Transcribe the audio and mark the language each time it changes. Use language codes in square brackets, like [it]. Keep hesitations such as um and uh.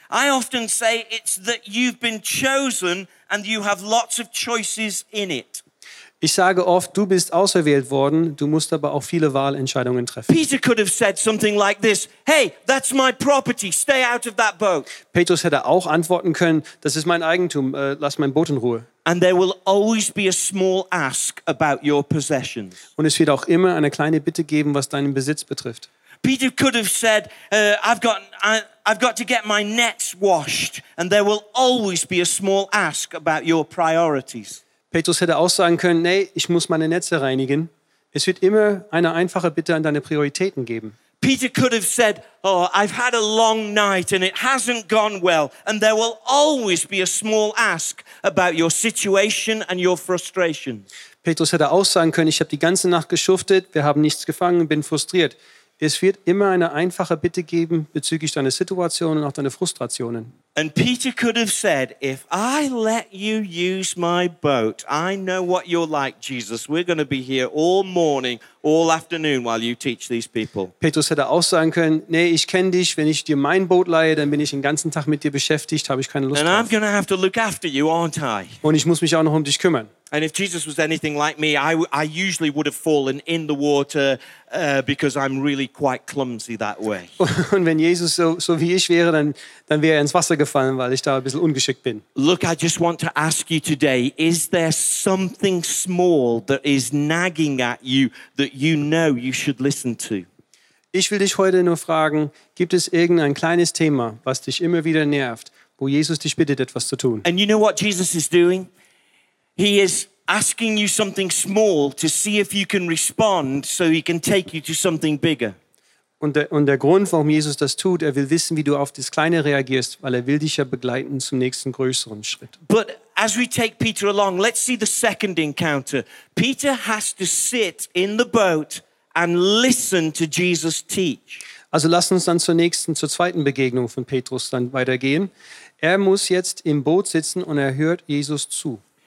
[en] I often say it's that you've been chosen and you have lots of choices in it. [de] Ich sage oft, du bist auserwählt worden, du musst aber auch viele Wahlentscheidungen treffen. [en] Peter could have said something like this: "Hey, that's my property. Stay out of that boat." [de] Petrus hätte auch antworten können: "Das ist mein Eigentum. Äh, lass mein Boot in Ruhe." [en] And there will always be a small ask about your possessions. [de] Und es wird auch immer eine kleine Bitte geben, was deinen Besitz betrifft. [en] Peter could have said, uh, I've, got, I, have got to get my nets washed, and there will always be a small ask about your priorities. [de] Petrus hätte auch sagen können, nee, ich muss meine Netze reinigen. Es wird immer eine einfache Bitte an deine Prioritäten geben. [en] Peter could have said, oh, I've had a long night and it hasn't gone well and there will always be a small ask about your situation and your frustration." [de] Petrus hätte auch sagen können, ich habe die ganze Nacht geschuftet, wir haben nichts gefangen, bin frustriert. Es wird immer eine einfache Bitte geben bezüglich deiner Situation und auch deiner Frustrationen. [en] And Peter could have said, If I let you use my boat, I know what you're like, Jesus. We're going to be here all morning, all afternoon while you teach these people. [de] Petrus hätte auch sagen können: Nee, ich kenne dich. Wenn ich dir mein Boot leihe, dann bin ich den ganzen Tag mit dir beschäftigt, habe ich keine Lust. [en] And I'm going to have to look after you, aren't I? [de] Und ich muss mich auch noch um dich kümmern. [en] And if Jesus was anything like me, I, I usually would have fallen in the water uh, because I'm really quite clumsy that way. [de] Und wenn Jesus so, so wie ich wäre, dann, dann wäre er ins Wasser gefallen. [en] Look, I just want to ask you today, is there something small that is nagging at you that you know you should listen to? [de] Ich will dich heute nur fragen, gibt es irgendein kleines Thema, was dich immer wieder nervt, wo Jesus dich bittet etwas zu tun? [en] And you know what Jesus is doing? He is asking you something small to see if you can respond so he can take you to something bigger. [de] Und der, und der, Grund, warum Jesus das tut, er will wissen, wie du auf das Kleine reagierst, weil er will dich ja begleiten zum nächsten größeren Schritt. Aber als wir [en] take Peter along, let's see the second encounter. Peter has in the boat and listen Jesus teach. [de] Also lass uns dann zur, nächsten, zur zweiten Begegnung von Petrus dann weitergehen. Er muss jetzt im Boot sitzen und er hört Jesus zu.